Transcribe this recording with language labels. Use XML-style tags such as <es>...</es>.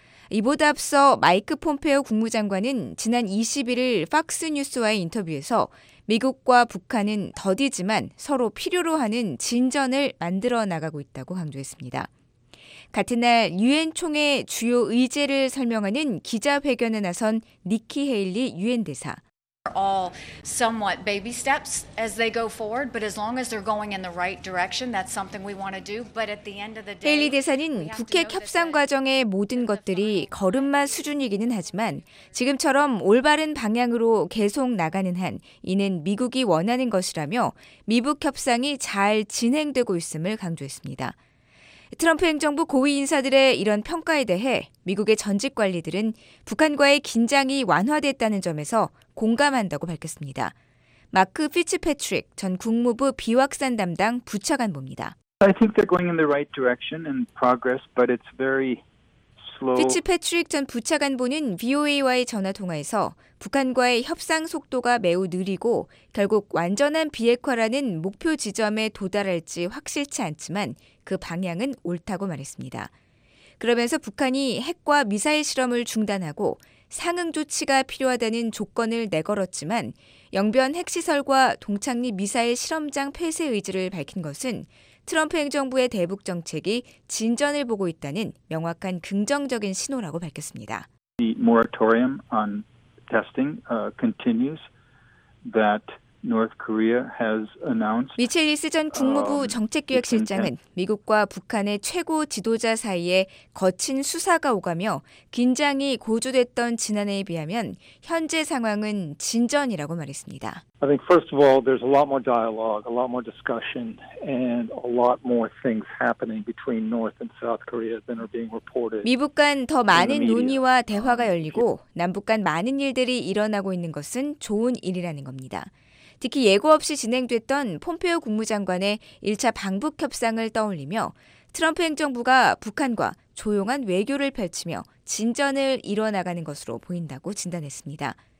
<ko>이보다 앞서 마이크 폼페오 국무장관은 지난 21일 팍스뉴스와의 인터뷰에서 미국과 북한은 더디지만 서로 필요로 하는 진전을 만들어 나가고 있다고 강조했습니다. 같은 날 유엔 총회 주요 의제를 설명하는 기자회견에 나선 니키 헤일리 유엔 대사.</ko> <en>All somewhat baby steps as they go forward, but as long as they're going in the right direction, that's something we want to do. But at the end of the day,</en> <ko>헤일리 대사는 북핵 협상 과정의 모든 것들이 걸음마 수준이기는 하지만 지금처럼 올바른 방향으로 계속 나가는 한 이는 미국이 원하는 것이라며 미북 협상이 잘 진행되고 있음을 강조했습니다. 트럼프 행정부 고위 인사들의 이런 평가에 대해 미국의 전직 관리들은 북한과의 긴장이 완화됐다는 점에서 공감한다고 밝혔습니다. 마크 피츠패트릭 전 국무부 비확산 담당 부차관보입니다.</ko> <en>I think they're going in the right direction and progress, but it's very slow.</en> <ko>피츠패트릭 전 부차관보는 VOA와의 전화 통화에서 북한과의 협상 속도가 매우 느리고 결국 완전한 비핵화라는 목표 지점에 도달할지 확실치 않지만 그 방향은 옳다고 말했습니다. 그러면서 북한이 핵과 미사일 실험을 중단하고 상응 조치가 필요하다는 조건을 내걸었지만 영변 핵시설과 동창리 미사일 실험장 폐쇄 의지를 밝힌 것은 트럼프 행정부의 대북 정책이 진전을 보고 있다는 명확한 긍정적인 신호라고 밝혔습니다.</ko> <en>The moratorium on testing continues that North Korea has announced.</en> <ko>미첼 리스 전 국무부 정책기획실장은 미국과 북한의 최고 지도자 사이에 거친 수사가 오가며 긴장이 고조됐던 지난해에 비하면 현재 상황은 진전이라고 말했습니다.</ko> <en>I think first of all, there's a lot more dialogue, a lot more discussion, and a lot more things happening between North and South Korea than are being reported.</en> <ko>미북 간 더 많은 논의와 대화가 열리고 남북 간 많은 일들이 일어나고 있는 것은 좋은 일이라는 겁니다. 특히 예고 없이 진행됐던 폼페오 국무장관의 1차 방북 협상을 떠올리며 트럼프 행정부가 북한과 조용한 외교를 펼치며 진전을 이뤄나가는 것으로 보인다고 진단했습니다.</ko>